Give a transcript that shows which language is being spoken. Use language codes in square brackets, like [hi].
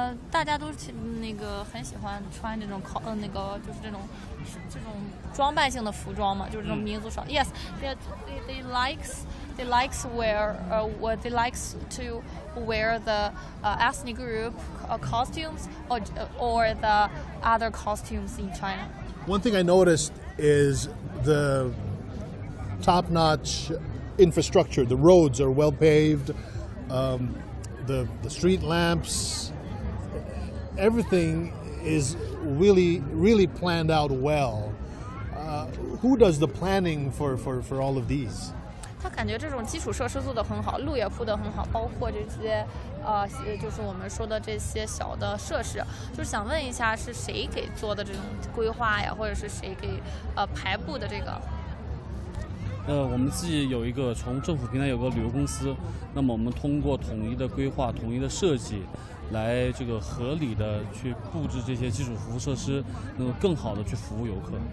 [zh] 大家都那个很喜欢穿这种那个就是这种装扮性的服装嘛，就是这种民族少。 [en] Yes, they like to wear the ethnic group costumes or the other costumes in China. One thing I noticed is the top notch infrastructure. The roads are well paved. The street lamps. Everything is really, really planned out well. Who does the planning for all of these? [zh] 他感觉这种基础设施做得很好，路也铺得很好，包括这些，就是我们说的这些小的设施，就是想问一下是谁给做的这种规划呀，或者是谁给排布的这个？我们自己有一个从政府平台有个旅游公司，那么我们通过统一的规划、统一的设计，来这个合理的去布置这些基础服务设施，能够更好的去服务游客。